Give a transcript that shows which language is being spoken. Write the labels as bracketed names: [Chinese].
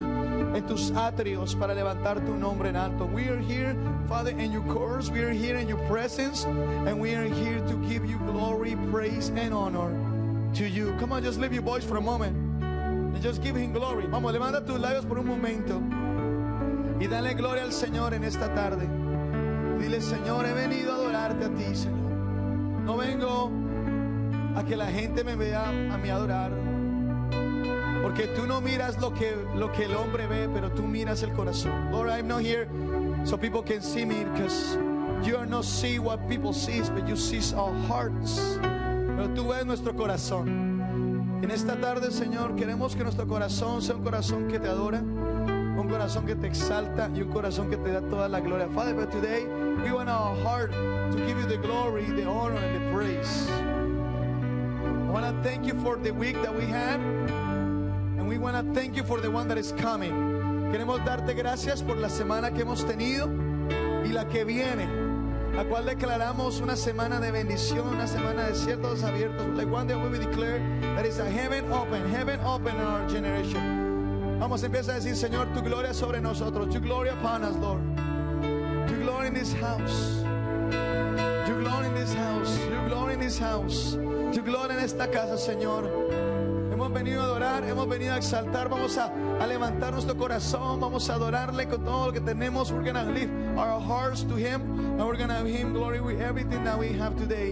[Spanish] en tus atrios para levantar tu nombre en alto. [English] We are here, Father, in your courts. We are here in your presence, and we are here to give you glory, praise, and honor to you. Come on, just lift your voice for a moment and just give him glory. [Spanish] Vamos, levanta tus labios por un momento y dale gloria al Señor en esta tarde. Dile, Señor, he venido a adorarte a ti, Señor. No vengo a que la gente me vea a mí adorar, porque tú no miras lo que el hombre ve, pero tú miras el corazón. [English] Lord, I'm not here so people can see me, because you are not see what people see, but you see our hearts. [Spanish] Pero tú ves nuestro corazón. En esta tarde, Señor, queremos que nuestro corazón sea un corazón que te adora, un corazón que te exalta y un corazón que te da toda la gloria. [English] Father, but today we want our heart to give you the glory, the honor, and the praise. I want to thank you for the week that we had, and we want to thank you for the one that is coming. [Spanish] Queremos darte gracias por la semana que hemos tenido y la que viene, la cual declaramos una semana de bendición, una semana de cielos abiertos. [English] Like one day we declare that is a heaven open in our generation. [Spanish] Vamos, empieza a decir, Señor, tu gloria sobre nosotros. [English] Your glory upon us, Lord. Your glory in this house. Your glory in this house. Your glory in this house. [Spanish] Tu gloria en esta casa, Señor. Hemos venido a adorar, hemos venido a exaltar. Vamos a levantar nuestro corazón. Vamos a adorarle con todo lo que tenemos. [English] We're going to lift our hearts to him, and we're going to give him glory with everything that we have today.